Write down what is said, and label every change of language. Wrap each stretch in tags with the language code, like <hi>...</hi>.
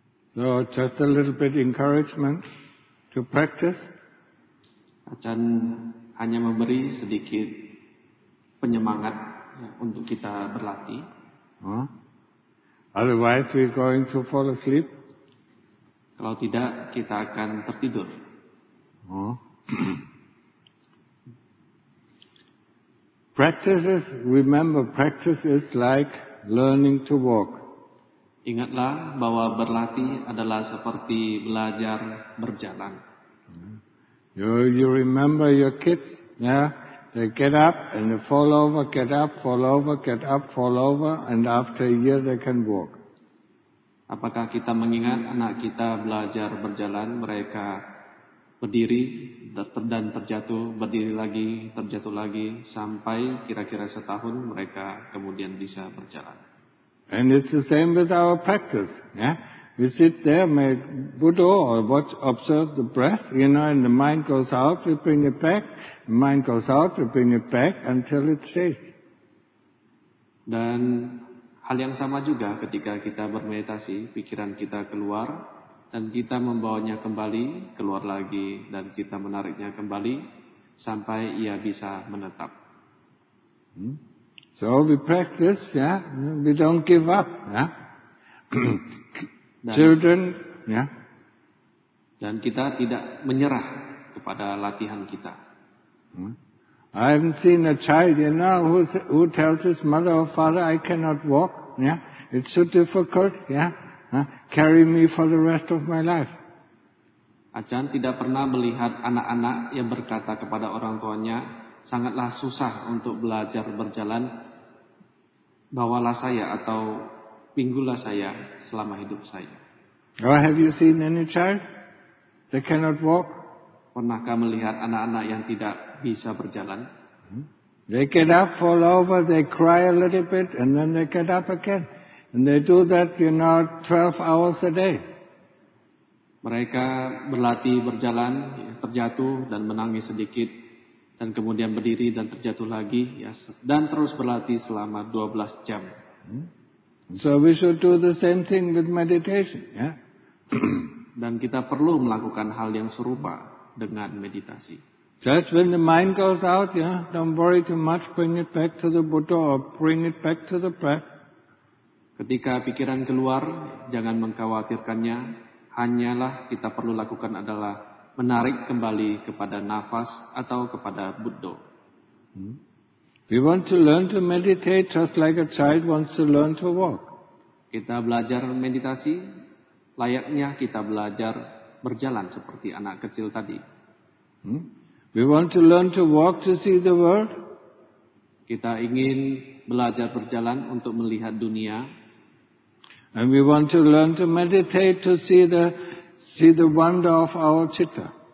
<en>So just a little bit encouragement to practice.</en> <id>Acan hanya memberi sedikit penyemangat ya, untuk kita berlatih.</id> <en>Otherwise we're going to fall asleep.</en> <id>Kalau tidak, kita akan tertidur.</id> <en>Practice is like learning to walk.</en> <id>Ingatlah bahwa berlatih adalah seperti belajar berjalan.</id> <en>You remember your kids, yeah? They get up and they fall over, get up, fall over, get up, fall over, and after a year they can walk.</en> <id>Apakah kita mengingat anak kita belajar berjalan, mereka berdiri dan terjatuh, berdiri lagi, terjatuh lagi, sampai kira-kira setahun mereka kemudian bisa berjalan.</id> <en>And it's the same with our practice, yeah? We sit there, make Buddha, or watch, observe the breath, you know, and the mind goes out, we bring it back, the mind goes out, we bring it back, until it stays.</en> <id>Dan hal yang sama juga ketika kita bermeditasi, pikiran kita keluar, dan kita membawanya kembali, keluar lagi, dan kita menariknya kembali, sampai ia bisa menetap.</id> <en>So we practice, yeah? We don't give up, yeah? Children, yeah?</en> <id>Dan kita tidak menyerah kepada latihan kita.</id> <en>I haven't seen a child, you know, who tells his mother or father, I cannot walk, yeah? It's so difficult, yeah? Carry me for the rest of my life.</en> <id>Acan tidak pernah melihat anak-anak yang berkata kepada orang tuanya, sangatlah susah untuk belajar berjalan, bawalah saya atau pinggullah saya selama hidup saya.</id> <en>Or have you seen any child that cannot walk?</en> <id>Pernahkah melihat anak-anak yang tidak bisa berjalan?</id> <en>They get up, fall over, they cry a little bit, and then they get up again. And they do that, you know, 12 hours a day.</en> <id>Mereka berlatih berjalan, terjatuh dan menangis sedikit, dan kemudian berdiri dan terjatuh lagi, ya, dan terus berlatih selama 12 jam.</id> <en>So we should do the same thing with meditation, ya. Yeah?</en> <id>Dan kita perlu melakukan hal yang serupa dengan meditasi.</id> <en>Just when the mind goes out, yeah, don't worry too much, bring it back to the Buddha or bring it back to the breath.</en> <id>Ketika pikiran keluar, jangan mengkhawatirkannya. Hanyalah kita perlu lakukan adalah menarik kembali kepada nafas atau kepada Buddha.</id> <en>We want to learn to meditate just like a child wants to learn to walk.</en> <id>Kita belajar meditasi layaknya kita belajar berjalan seperti anak kecil tadi.</id> <en>We want to learn to walk to see the world.</en> <id>Kita ingin belajar berjalan untuk melihat dunia.</id> <en>And we want to learn to meditate to see the wonder of our citta.</en>